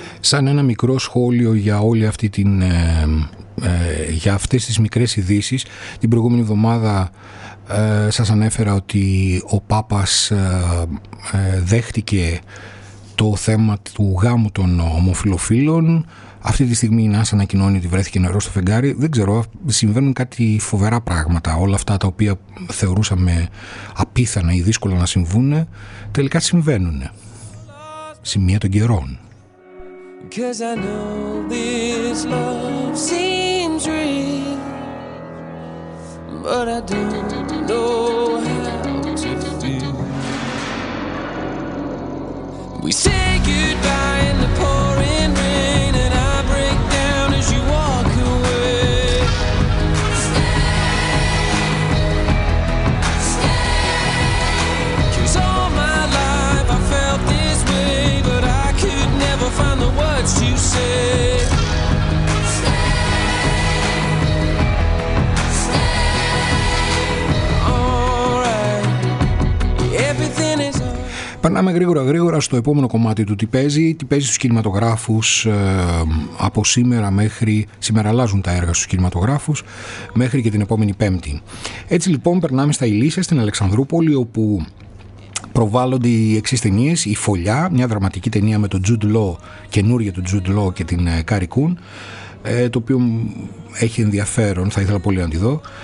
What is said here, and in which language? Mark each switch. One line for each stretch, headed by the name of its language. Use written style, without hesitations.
Greek: Σαν ένα μικρό σχόλιο για όλη αυτή την... για αυτές τις μικρές ειδήσεις, την προηγούμενη εβδομάδα σας ανέφερα ότι ο Πάπας δέχτηκε το θέμα του γάμου των ομοφιλοφίλων. Αυτή τη στιγμή η NASA ανακοινώνει ότι βρέθηκε νερό στο φεγγάρι. Δεν ξέρω, συμβαίνουν κάτι φοβερά πράγματα. Όλα αυτά τα οποία θεωρούσαμε απίθανα ή δύσκολα να συμβούν, τελικά συμβαίνουν. Σημεία των καιρών.
English: Cause I know this love seems real, but I don't know how to feel. We say goodbye in the pouring rain, and I break down as you walk away. Stay, stay, stay. All right. Everything is all...
Greek: Περνάμε γρήγορα γρήγορα στο επόμενο κομμάτι του Τι παίζει. Τι παίζει στους κινηματογράφους από σήμερα μέχρι... Σήμερα αλλάζουν τα έργα στους κινηματογράφους μέχρι και την επόμενη Πέμπτη. Έτσι λοιπόν περνάμε στα Ηλίσια, στην Αλεξανδρούπολη, όπου προβάλλονται οι εξής ταινίες: Η Φωλιά, μια δραματική ταινία με τον Τζουντ Λό, καινούργια του Τζουντ Λό και την Κάρι Κούν, το οποίο έχει ενδιαφέρον, θα ήθελα πολύ να τη δω.